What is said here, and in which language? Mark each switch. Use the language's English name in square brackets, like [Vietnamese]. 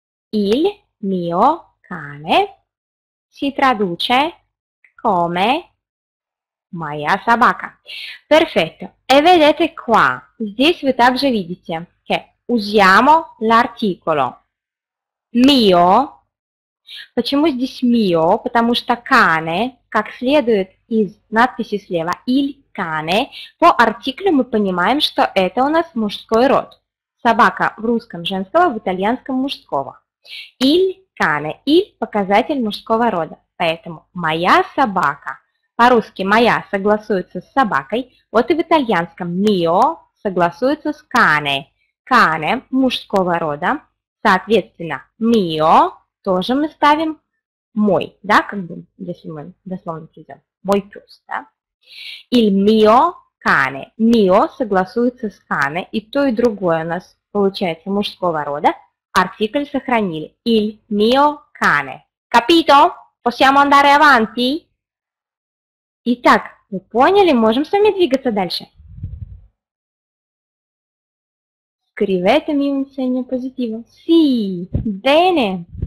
[Italian] Il mio cane si traduce come [Russian] Maja sabaka. [Italian] Perfetto. E vedete qua, [Russian] здесь вы также видите, [Italian] che usiamo l'articolo mio. [Russian] Почему здесь mio? Потому что cane, как следует из надписи слева, il cane, по артиклю мы понимаем, что это у нас мужской род. Собака в русском женского, в итальянском мужского. Il cane, il показатель мужского рода. Поэтому моя собака. По-русски моя согласуется с собакой, вот и в итальянском mio согласуется с cane. Cane мужского рода, соответственно, mio тоже мы ставим мой, да, как бы, если мы дословно перейдем, мой пес, да. [Italian] Il mio cane, [Russian] mio согласуется с cane, и то, и другое у нас получается мужского рода. Артикль сохранили. [Italian] Il mio cane. Capito? Possiamo andare avanti? [Russian] Итак, вы поняли, можем с вами двигаться дальше. [Italian] Scrivetemi un segno positivo. Sì, bene.